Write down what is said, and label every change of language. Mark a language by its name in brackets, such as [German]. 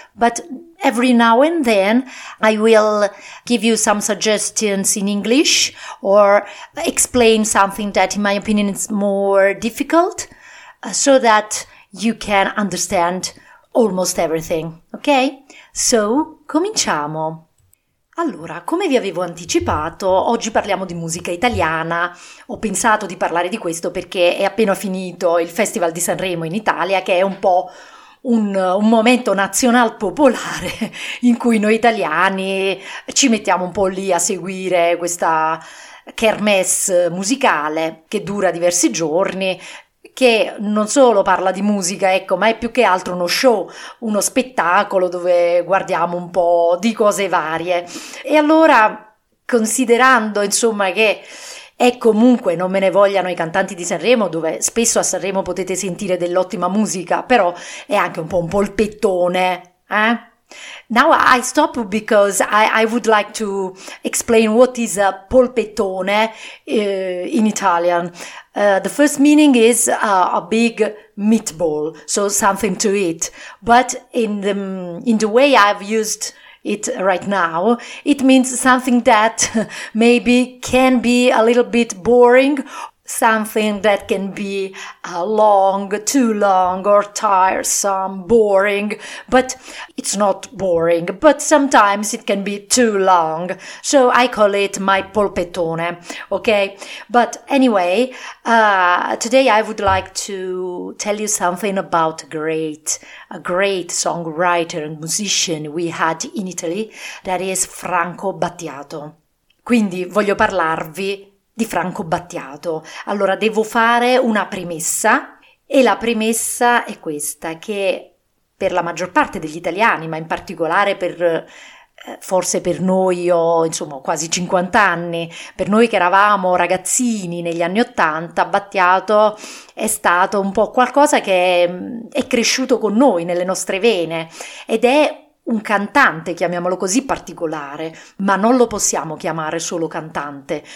[English] But every now and then, I will give you some suggestions in English or explain something that, in my opinion, is more difficult, so that you can understand almost everything, ok? [Italian] So, cominciamo. Allora, come vi avevo anticipato, oggi parliamo di musica italiana. Ho pensato di parlare di questo perché è appena finito il Festival di Sanremo in Italia, che è un po' un momento nazional popolare in cui noi italiani ci mettiamo un po' lì a seguire questa kermesse musicale che dura diversi giorni. Che non solo parla di musica, ecco, ma è più che altro uno show, uno spettacolo dove guardiamo un po' di cose varie. E allora, considerando, insomma, che è comunque, non me ne vogliano i cantanti di Sanremo, dove spesso a Sanremo potete sentire dell'ottima musica, però è anche un po' un polpettone, eh? [English] Now I stop because I would like to explain what is a polpettone in Italian. The first meaning is a big meatball, so something to eat. But in the way I've used it right now, it means something that maybe can be a little bit boring, something that can be long, too long, or tiresome, boring, but it's not boring, but sometimes it can be too long. So I call it my polpettone, okay? But anyway, today I would like to tell you something about a great songwriter and musician we had in Italy, that is Franco Battiato. [Italian] Quindi voglio parlarvi di Franco Battiato. Allora devo fare una premessa e la premessa è questa, che per la maggior parte degli italiani, ma in particolare per forse per noi, io insomma ho quasi 50 anni, per noi che eravamo ragazzini negli anni 80, Battiato è stato un po' qualcosa che è cresciuto con noi nelle nostre vene ed è un cantante, chiamiamolo così, particolare, ma non lo possiamo chiamare solo cantante.